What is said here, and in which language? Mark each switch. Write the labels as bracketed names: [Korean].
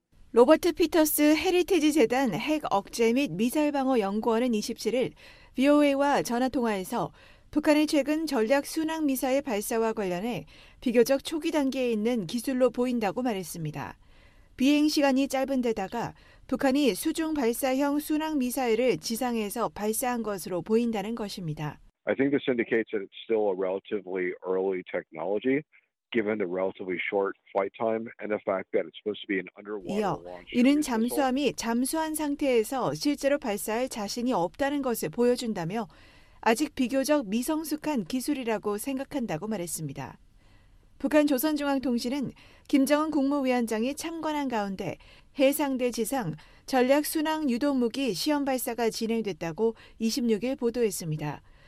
[Korean] 로버트 피터스 헤리티지 재단 핵 억제 및 미사일 방어 연구원은 27일 VOA와 전화통화에서 북한의 최근 전략 순항 미사일 발사와 관련해 비교적 초기 단계에 있는 기술로 보인다고 말했습니다. 비행 시간이 짧은 데다가 북한이 수중 발사형 순항 미사일을 지상에서 발사한 것으로 보인다는 것입니다. [English] I think this indicates that it's still a relatively early technology. Given the relatively short flight time and the fact that it's supposed to be an underwater launch. [Korean] 이어 이는 잠수함이 잠수한 상태에서 실제로 발사할 자신이 없다는 것을 보여준다며 아직 비교적 미성숙한 기술이라고 생각한다고 말했습니다. 북한 조선중앙통신은 김정은 국무위원장이 참관한 가운데 해상대 지상 전략 순항 유도무기 시험 발사가 진행됐다고 26일 보도했습니다.